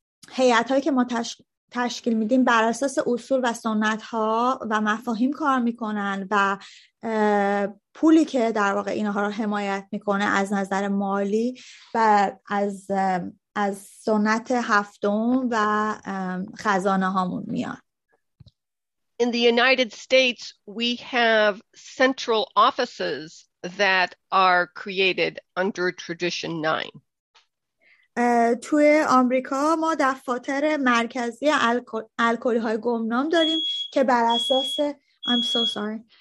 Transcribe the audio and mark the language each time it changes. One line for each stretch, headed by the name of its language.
Persian: هیئت‌هایی که ما تشکیل میدیم بر اساس اصول و سنت‌ها و مفاهیم کار میکنن و پولی که در واقع اینها رو حمایت میکنه از نظر مالی و از سنت هفتم و خزانه هامون میاد.
English: In the United States, we have central offices that are created under Tradition 9.
Persian: توی آمریکا ما دفاتر مرکزی الکلی‌های گمنام داریم که بر اساس
English: I'm so sorry.